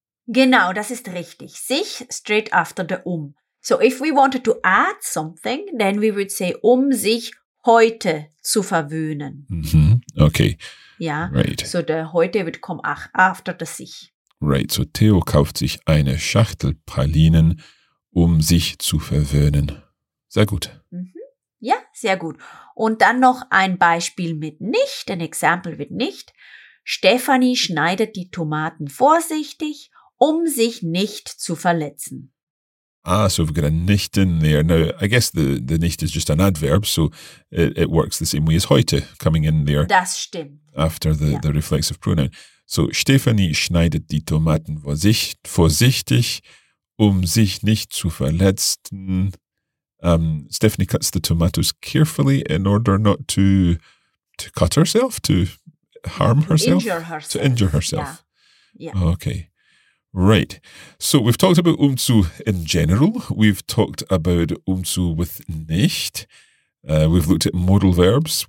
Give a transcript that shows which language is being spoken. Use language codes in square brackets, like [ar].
[de] Genau, das ist richtig. [en] Sich straight after the So if we wanted to add something, then we would say [de] sich heute zu verwöhnen. [en] Mm-hmm. Okay. Yeah. Right. So the heute would come after the sich. Right. [de] So Theo kauft sich eine Schachtel Pralinen, sich zu verwöhnen. Sehr gut. Mm-hmm. Ja, sehr gut. Und dann noch ein Beispiel mit nicht, ein Example mit nicht. Stefanie schneidet die Tomaten vorsichtig, sich nicht zu verletzen. [en] Ah, so we've got a nicht in there. Now, I guess the nicht is just an adverb, so it works the same way as heute, coming in there. [de] Das stimmt. [en] After the reflexive pronoun. [de] So Stefanie schneidet die Tomaten vorsichtig, sich nicht zu verletzen. [en] Stephanie cuts the tomatoes carefully in order not to cut herself, to harm herself. To injure herself. To injure herself. Yeah. Yeah. Okay. Right. So we've talked about zu in general. We've talked about zu with nicht. We've looked at modal verbs.